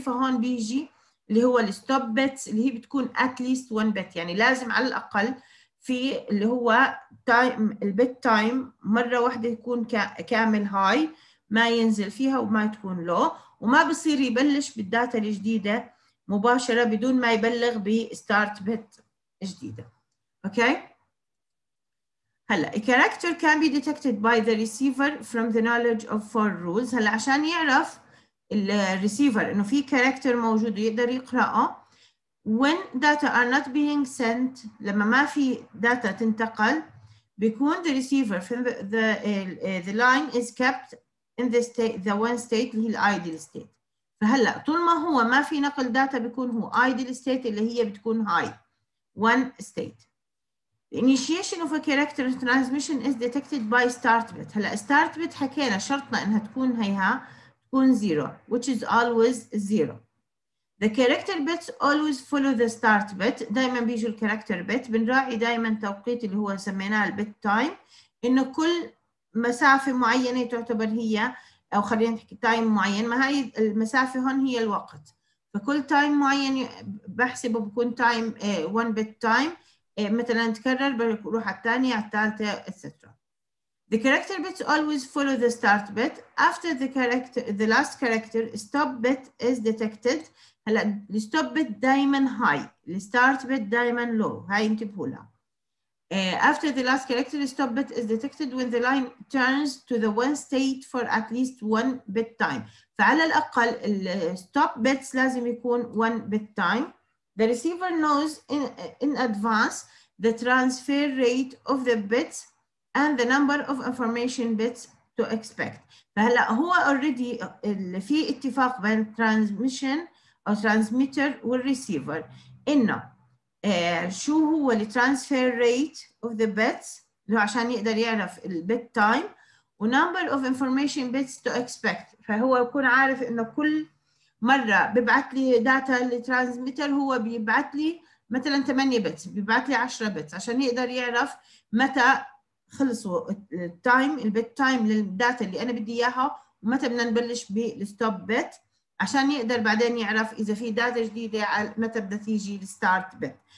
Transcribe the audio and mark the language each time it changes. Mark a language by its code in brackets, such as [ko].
[ar] فهون بيجي اللي هو الستوب بتس اللي هي بتكون at least one bit، يعني لازم على الأقل في اللي هو تايم البت تايم مرة واحدة يكون كامل هاي، ما ينزل فيها وما تكون لو، وما بصير يبلش بالداتا الجديدة مباشرة بدون ما يبلغ بستارت بت جديدة. أوكي هلا [en] a character can be detected by the receiver from the knowledge of four rules. [ar] هلا عشان يعرف الريسيفر انه في كاركتر موجود ويقدر يقراه [en] when data are not being sent، [ar] لما ما في داتا تنتقل بيكون [en] the receiver from the line is kept in the state the one state [ar] اللي هي الايدل ستيت. فهلا طول ما هو ما في نقل داتا بيكون هو ايدل ستيت اللي هي بتكون هاي one state. [en] The initiation of a character transmission is detected by start bit. [ar] هلا start bit حكينا شرطنا انها تكون هيها تكون zero, [en] which is always zero. The character bits always follow the start bit. [ar] دائما بيجوا الكاركتر بيت، بنراعي دائما توقيت اللي هو سميناه البيت تايم، انه كل مسافة معينة تعتبر هي، او خلينا نحكي تايم معين، ما هاي المسافة هون هي الوقت. فكل تايم معين بحسبه بكون تايم one bit time. مثلا تكرر بروح على الثانية على الثالثة etc. [en] The character bits always follow the start bit. After the character, the last character, stop bit is detected. هلا the stop bit دائما high. The start bit دائما low. [ar] هاي انتبهوا لها. [en] After the last character, stop bit is detected when the line turns to the one state for at least one bit time. [ar] فعلى الأقل ال stop bits لازم يكون one bit time. [en] The receiver knows in advance the transfer rate of the bits and the number of information bits to expect. [ar] فهلا هو already في اتفاق بين transmission أو transmitter والreceiver إنه شو هو [en] the transfer rate of the bits [ar] عشان يقدر يعرف ال bit time و [en] number of information bits to expect. [ar] فهو يكون عارف إنه كل مرة ببعث لي داتا للترانسميتر هو بيبعث لي مثلا 8 بتس، بيبعث لي 10 بتس عشان يقدر يعرف متى خلصوا التايم البت تايم للداتا اللي انا بدي اياها ومتى بدنا نبلش بالستوب بت عشان يقدر بعدين يعرف اذا في داتا جديده متى بدها تيجي الستارت بت.